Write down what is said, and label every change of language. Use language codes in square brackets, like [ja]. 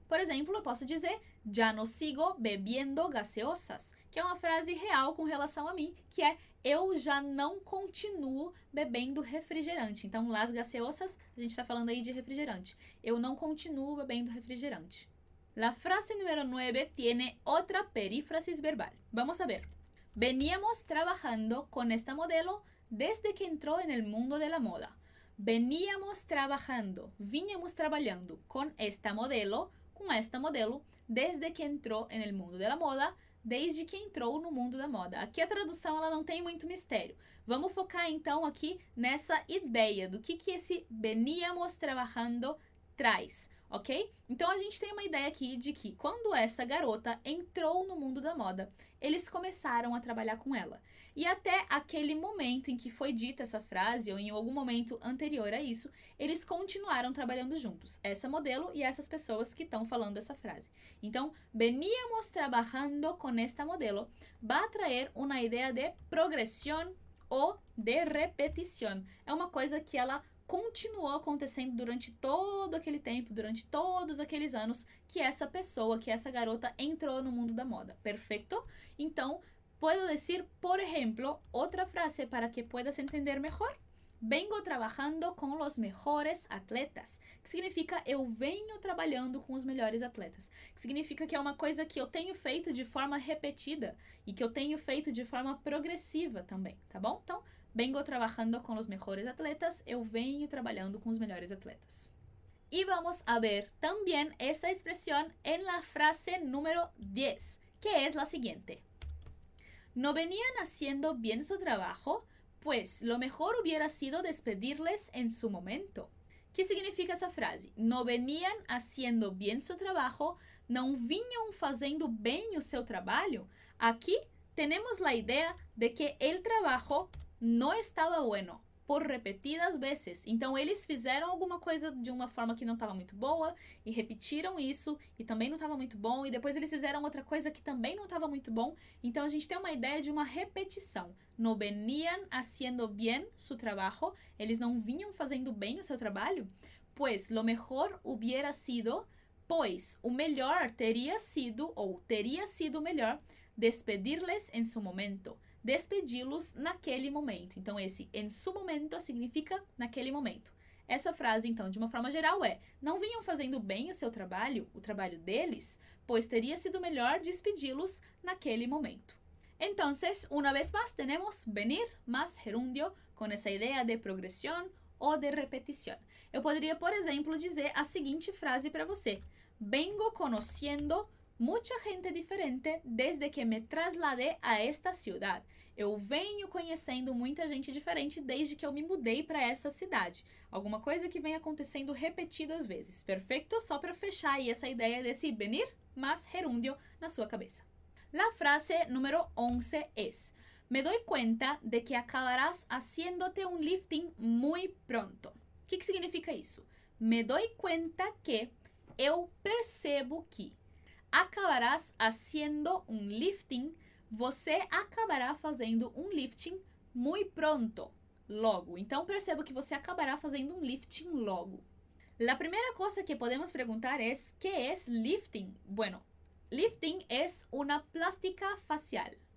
[pt] Por exemplo, eu posso dizer já [es] no sigo bebiendo gaseosas, [pt] que é uma frase real com relação a mim, que é eu já não continuo bebendo refrigerante. Então, [es] las gaseosas, [pt] a gente está falando aí de refrigerante. Eu não continuo bebendo refrigerante. [es] La frase número 9 tiene otra perífrasis verbal. Vamos a ver. Veníamos trabajando con esta modelo desde que entró en el mundo de la moda. Veníamos trabajando, [pt] vínhamos trabalhando com esta modelo, desde que entrou [es] en el mundo de la moda, [pt] desde que entrou no mundo da moda. Aqui a tradução ela não tem muito mistério. Vamos focar então aqui nessa ideia do que esse [es] veníamos trabajando [pt] traz. Ok? Então a gente tem uma ideia aqui de que quando essa garota entrou no mundo da moda, eles começaram a trabalhar com ela. E até aquele momento em que foi dita essa frase, ou em algum momento anterior a isso, eles continuaram trabalhando juntos, essa modelo e essas pessoas que estão falando essa frase. [es] Então, veníamos trabalhando con esta modelo, va a traer una idea de progresión o de repetición. [pt] É uma coisa que ela continuou acontecendo durante todo aquele tempo, durante todos aqueles anos que essa pessoa, que essa garota entrou no mundo da moda. Perfeito? [es] Então, puedo decir, por ejemplo, [pt] outra frase [es] para que puedas entender mejor. Vengo trabajando con los mejores atletas, [pt] que significa eu venho trabalhando com os melhores atletas, que significa que é uma coisa que eu tenho feito de forma repetida e que eu tenho feito de forma progressiva também, tá bom? Então, [es] vengo trabajando con los mejores atletas, [pt] eu venho trabalhando com os melhores atletas. [es] E vamos a ver [pt] também essa expressão [es] en la frase número 10, que es la siguiente. No venían haciendo bien su trabajo. Pues lo mejor hubiera sido despedirles en su momento. ¿Qué significa esa frase? No venían haciendo bien su trabajo, [pt] no vinham fazendo bem o seu trabalho. [es] Aquí tenemos la idea de que el trabajo no estaba bueno por repetidas veces. [pt] Então eles fizeram alguma coisa de uma forma que não estava muito boa e repetiram isso e também não estava muito bom. E depois eles fizeram outra coisa que também não estava muito bom. Então a gente tem uma ideia de uma repetição. [es] No venían haciendo bien su trabajo. [pt] Eles não vinham fazendo bem o seu trabalho. [es] Pues lo mejor hubiera sido, [pt] pois o melhor teria sido ou teria sido melhor [es] despedirles en su momento. [pt] Despedi-los naquele momento. Então, esse [es] en su momento [pt] significa naquele momento. Essa frase, então, de uma forma geral é: não vinham fazendo bem o seu trabalho, o trabalho deles, pois teria sido melhor despedi-los naquele momento. Então, uma vez mais, temos venir mais gerúndio com essa ideia de progressão ou de repetição. Eu poderia, por exemplo, dizer a seguinte frase para você: [es] Vengo conociendo mucha gente diferente desde que me trasladé a esta ciudad. [pt] Eu venho conhecendo muita gente diferente desde que eu me mudei para essa cidade. Alguma coisa que vem acontecendo repetidas vezes. Perfeito? Só para fechar aí essa ideia desse venir mas gerúndio na sua cabeça. [es] La frase número 11 es: Me doy cuenta de que acabarás haciéndote un lifting muy pronto. ¿Qué significa isso? Me doy cuenta que [pt] eu percebo que [es] acabarás haciendo un lifting. [pt] Você acabará fazendo um lifting muito pronto, logo. Então, perceba que você acabará fazendo um lifting logo. La primeira coisa que podemos perguntar é: [es] ¿Qué es lifting? Bueno, lifting es una plástica facial.